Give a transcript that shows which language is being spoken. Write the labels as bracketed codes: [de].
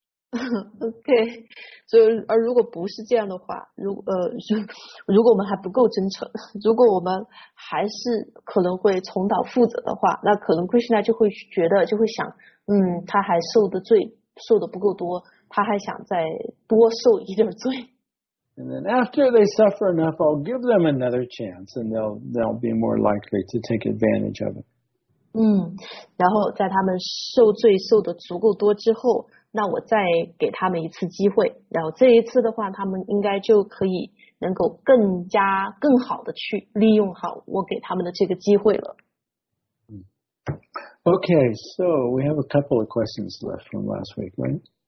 [zh] Okay, 如果不是这样的话，如果我们还不够真诚，如果我们还是可能会重蹈覆辙的话，那可能 Krishna 就会觉得，就会想，他还受的罪受的不够多，他还想再多受一点罪。 [en] And then after they suffer enough, I'll give them another chance, and they'll be more likely to take advantage of it. [zh] 然后在他们受罪受的足够多之后。那我再给他们一次机会，然后这一次的话，他们应该就可以能够更加更好的去利用好我给他们的这个机会了。 [en] Okay, so we have a couple of questions left from last week, right?